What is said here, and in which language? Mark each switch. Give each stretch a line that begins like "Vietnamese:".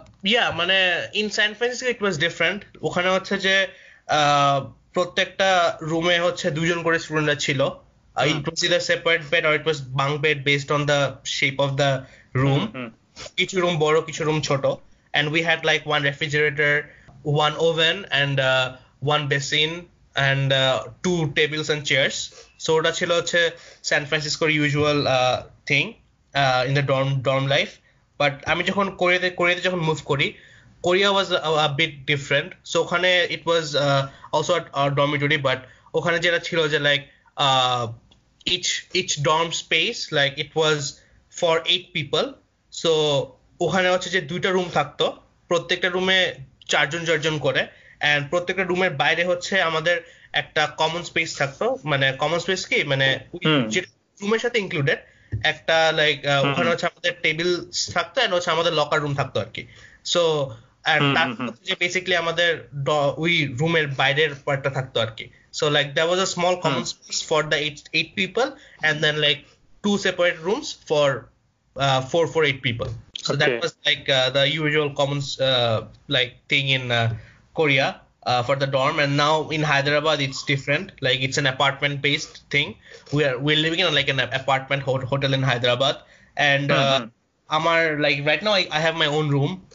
English: yeah মানে in San Francisco it was different,
Bangla: ওখানে হচ্ছে যে প্রত্যেকটা রুমে হচ্ছে দুজন করে স্টুডেন্টরা ছিল,
English: it was either separate bed or it was bunk bed based on the shape of the room,
Bangla: কিছু রুম বড় কিছু রুম ছোট,
English: And we had like one refrigerator, one oven and one basin and two tables and chairs, so ওটা ছিল হচ্ছে সান ফ্রান্সিসকোর usual thing in the dorm life.
Bangla: But আমি যখন কোরিয়াতে যখন মুভ করি,
English: Korea was a bit different, so ওখানে it was also a dormitory,
Bangla: but ওখানে যেটা ছিল যে
English: Like each dorm space, like it was for 8 people.
Bangla: So ওখানে হচ্ছে যে দুইটা রুম থাকতো, প্রত্যেকটা রুমে চারজন চারজন করে, অ্যান্ড প্রত্যেকটা রুমের বাইরে হচ্ছে আমাদের একটা কমন স্পেস থাকতো। মানে কমন স্পেস কি মানে রুমের সাথে ইনক্লুডেড একটা, লাইক ওখানে হচ্ছে আমাদের টেবিল থাকতো, অ্যান্ড হচ্ছে আমাদের লকার রুম থাকতো আর কি। সো অ্যান্ড তার যে বেসিক্যালি আমাদের ওই রুমের বাইরের পার্টটা থাকতো আর কি।
English: So like that was a small common space for the 8 people, and then like two separate rooms for 4 for 8 people. So okay. That was like the usual common like thing in Korea for the dorm. And now in Hyderabad it's different, like it's an apartment based thing. We're living in like an apartment hotel in Hyderabad, and
Bangla: amar
English: like right now I have my own room.